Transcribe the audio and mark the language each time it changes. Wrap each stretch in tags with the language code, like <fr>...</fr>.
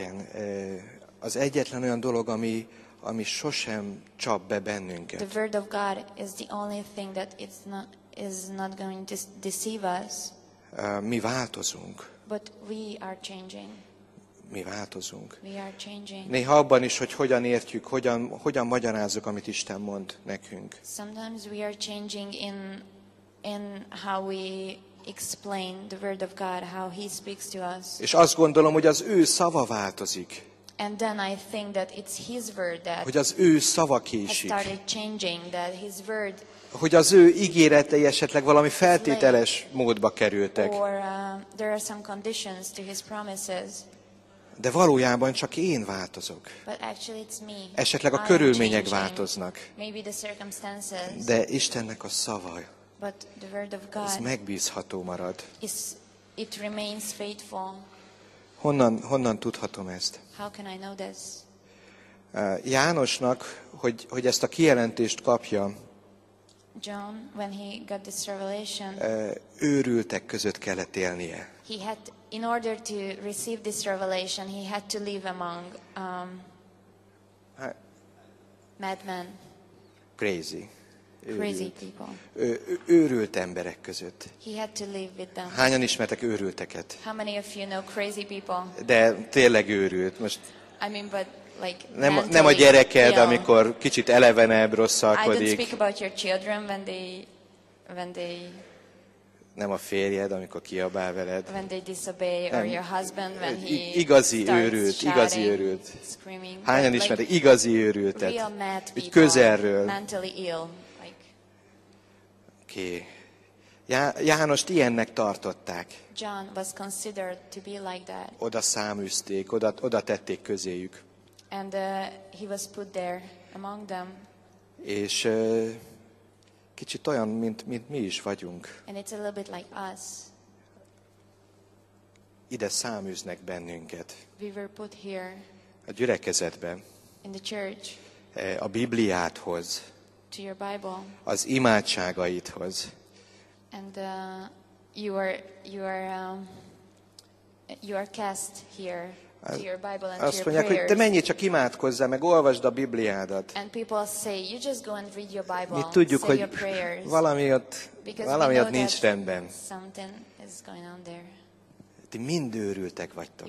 <hu>Igen, az egyetlen olyan dolog, ami sosem csap be bennünket.</hu> <en>The word of God is the only thing that is not going to deceive us.</en> <hu>Mi változunk.</hu> <en>But we are changing.</en> <hu>Mi változunk.</hu> <en>We are changing.</en> <hu>Néha abban is, hogy hogyan értjük, hogyan magyarázzuk, amit Isten mond nekünk.</hu> <en>Sometimes we are changing in how we explain the word of God, how he speaks to us.</en> <hu>És azt gondolom, hogy az ő szava változik.</hu> <en>And then I think that it's his word that</en> <hu>hogy az ő szava késik.</hu> <en>Has started changing, that his word</en> <hu>hogy az ő ígéretei esetleg valami feltételes módba kerültek.</hu> <en>Or there are some conditions to his promises.</en> <hu>De valójában csak én változok.</hu> <en>But actually it's me.</en> <hu>Esetleg a</hu> <en>I'm</en> <hu>körülmények</hu> <en>changing.</en> <hu>Változnak.</hu> <en>Maybe the circumstances.</en> <hu>De Istennek a szava</hu> <en>but the word of God</en> <hu>az megbízható marad.</hu> <en>It remains faithful.</en> <hu>Honnan tudhatom ezt?</hu> <en>How can I know this?</en> <hu>Jánosnak, hogy ezt a kijelentést kapja,</hu> <en>John, when he got this revelation,</en> <hu>őrültek között kellett élnie.</hu> <en>He had, in order to receive this revelation, he had to live among madmen. Crazy people.</en> <hu>Őrült emberek között.</hu> <en>He had to live with them.</en> <hu>Hányan ismertek őrülteket?</hu> <en>How many of you know crazy people?</en> <hu>De tényleg őrült. Most</hu> <en>I mean, but like</en> <hu>nem a gyereked, ill. Amikor kicsit elevenebb, rosszalkodik.</hu> <en>I don't speak about your children when they</en> <hu>nem a férjed, amikor kiabál veled.</hu> <en>When they disobey or your husband when he</en> <hu>igazi őrült, igazi őrült. Hányan ismertek like igazi őrültet?</hu> <en>Real mad people,</en> <hu>közelről.</hu> <en>Mentally ill. Oké.</en> <hu>Jánost ilyennek tartották.</hu> <en>John was considered to be like that.</en> <hu>Oda száműzték, oda tették közéjük.</hu> <en>And he was put there among them.</en> <hu>És kicsit olyan, mint mi is vagyunk.</hu> <en>And it's a little bit like us.</en> <hu>ide száműznek bennünket.</hu> <en>We were put here.</en> <hu>A gyülekezetben.</hu> <en>In the church.</en> <hu>A Bibliádhoz.</hu> <en>To your Bible.</en> <hu>Az imádságaidhoz.</hu> <en>And you are cast here. To your Bible and</en> <hu>azt mondják, hogy te menjél csak imádkozzál, meg olvasd a Bibliádat.</hu> <en>And people say, you just go and read your Bible.</en> <hu>Mi tudjuk,</hu> <en>say</en> <hu>hogy</hu> <en>your prayers.</en> <hu>valami ott nincs rendben.</hu> <en>Something is going on there.</en> <hu>Ti mind őrültek vagytok.</hu>